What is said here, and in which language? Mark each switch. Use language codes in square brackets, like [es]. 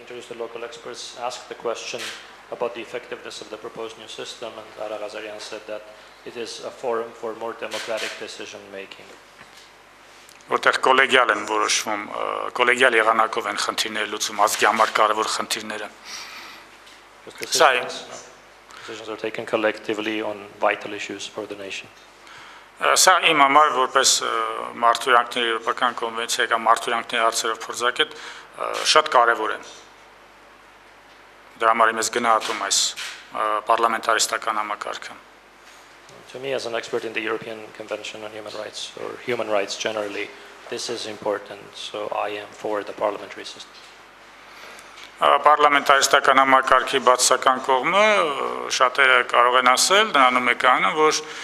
[en] About the effectiveness of the proposed new system, and Ara Ghazarian said that it is a forum for more democratic decision making. [hy] Որտեղ կոլեգիալ են որոշվում, կոլեգիալ եղանակով են խնդիրները լուծում, ազգի համար կարևոր խնդիրները։ [en] Decisions are taken collectively on vital issues for the nation. [hy] Սա իմ համար որպես մարդու իրավունքների եվրոպական կոնվենցիայի կամ մարդու իրավունքների հարցերով փորձագետ շատ կարևոր է։ Դրա համար ես գնահատում այս պարլամենտարիստական համակարգը։ [en] To me as an expert in the European Convention on Human Rights or human rights generally, this is important, so I am for the parliamentary system. [hy] Պարլամենտարիստական համակարգի բացական կողմը շատերը կարող են ասել, նրանում եկանը, որ